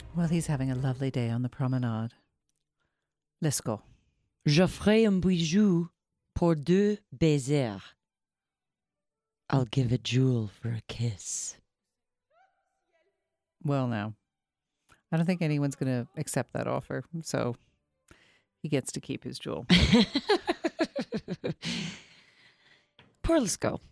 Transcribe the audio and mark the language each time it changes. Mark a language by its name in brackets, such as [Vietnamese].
[English] He's having a lovely day on the promenade. Let's go. [French] Je ferai un bijou pour deux baisers. [English] I'll give a jewel for a kiss. Well, now, I don't think anyone's going to accept that offer, so he gets to keep his jewel. Poor Lescaut.